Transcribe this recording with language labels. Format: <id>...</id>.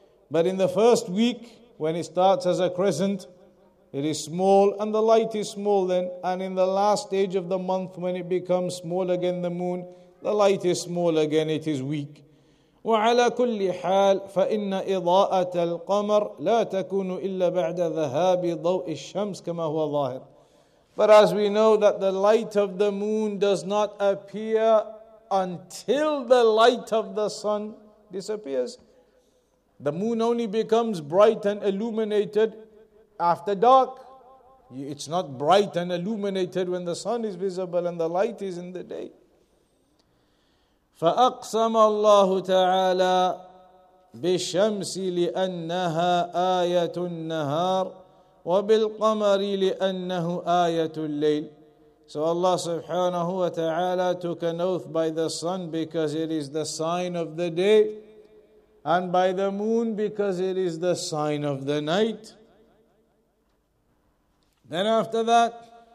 <en>But in the first week, when it starts as a crescent, it is small and the light is small then. And in the last stage of the month, when it becomes small again, the moon, the light is small again, it is weak.</en> <ar>وعلى كل حال فإن إضاءة القمر لا تكون إلا بعد ذهاب ضوء الشمس كما هو ظاهر.</ar> <en>But as we know that the light of the moon does not appear until the light of the sun disappears. The moon only becomes bright and illuminated after dark. It's not bright and illuminated when the sun is visible and the light is in the day.</en> <ar>فأقسم الله تعالى بالشمس لأنها آية النهار وبالقمر لأنه آية الليل.</ar> <en>So Allah subhanahu wa ta'ala took an oath by the sun because it is the sign of the day, and by the moon because it is the sign of the night. Then after that,</en>